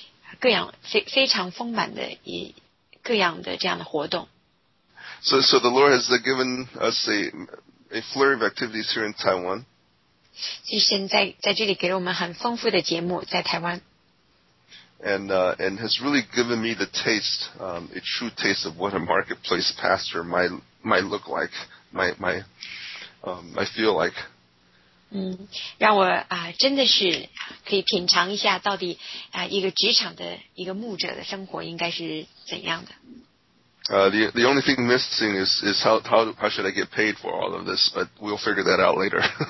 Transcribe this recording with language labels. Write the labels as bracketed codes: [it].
[zh] 我们可能有些人收到了我所发的电邮，就是在过去的一个礼拜，神带我经历的一系列各样非常丰满的。 [en] So the Lord has given us a flurry of activities here in Taiwan. [zh] 就现在在这里给了我们很丰富的节目在台湾。 [en] And has really given me the taste, a true taste of what a marketplace pastor might look like, might feel like. [zh] 让我真的是可以品尝一下到底一个职场的一个牧者的生活应该是怎样的。 [en] The only thing missing is how should I get paid for all of this, but we'll figure that out later.